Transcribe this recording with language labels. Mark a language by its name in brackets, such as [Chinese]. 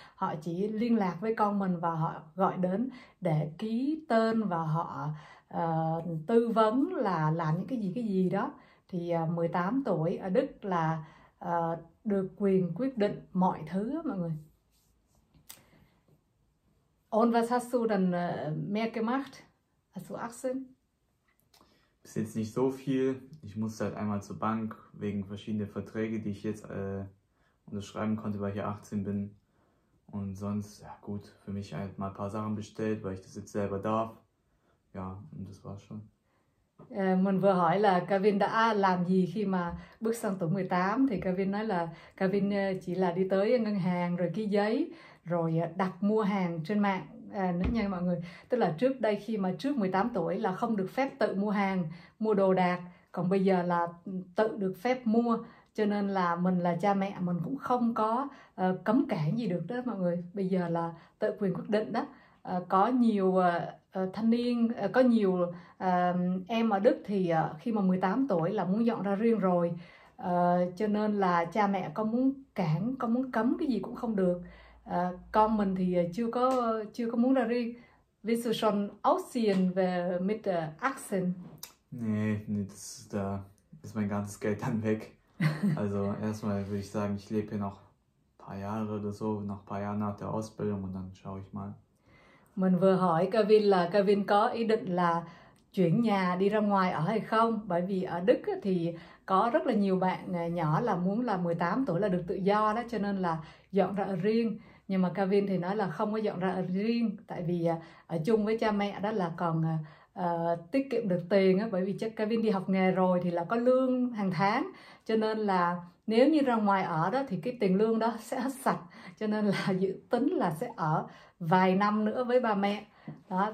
[Vietnamese] Họ chỉ liên lạc với con mình và họ gọi đến để ký tên và họ tư vấn là làm những cái gì đó. Thì 18 tuổi ở Đức là được quyền quyết định mọi thứ mọi người. [German] Und was hast du dann mehr gemacht als du 18? Ist jetzt nicht so viel. Ich musste halt einmal zur Bank wegen verschiedener Verträge, die ich jetzt unterschreiben konnte, weil ich ja 18 bin. Und sonst, ja gut, für mich halt mal ein paar Sachen bestellt, weil ich das jetzt selber darf. Ja, und das war's schon. [Vietnamese] Mình vừa hỏi là Kevin đã làm gì khi mà bước sang tuổi 18, thì Kevin nói là Kevin chỉ là đi tới ngân hàng rồi ký giấy rồi đặt mua hàng trên mạng. Nói nha mọi người, tức là trước đây khi mà trước 18 tuổi là không được phép tự mua hàng, mua đồ đạc, còn bây giờ là tự được phép mua, cho nên là mình là cha mẹ mình cũng không có cấm cản gì được đó mọi người. Bây giờ là tự quyền quyết định đó. Có nhiều thanh niên, có nhiều em ở Đức thì khi mà 18 tuổi là muốn dọn ra riêng rồi, cho nên là cha mẹ có muốn cản, có muốn cấm cái gì cũng không được. Con mình thì chưa có muốn ra riêng. [German] Willst du schon ausziehen [Vietnamese] về [German] mit 18? Nee, da ist mein ganzes Geld dann weg. Also erstmal würde ich sagen, ich lebe hier noch ein paar Jahre oder so, noch ein paar Jahre nach der Ausbildung und dann schaue ich mal. [Vietnamese] Mình vừa hỏi Kevin là Kevin có ý định là chuyển nhà đi ra ngoài ở hay không? Bởi vì ở Đức thì có rất là nhiều bạn nhỏ là muốn là 18 tuổi là được tự do đó, cho nên là dọn ra ở riêng. Nhưng mà Kevin thì nói là không có dọn ra ở riêng, tại vì ở chung với cha mẹ đó là còn tiết kiệm được tiền á, bởi vì chắc Kevin đi học nghề rồi thì là có lương hàng tháng, cho nên là nếu như ra ngoài ở đó thì cái tiền lương đó sẽ hết sạch, cho nên là dự tính là sẽ ở vài năm nữa với ba mẹ đó.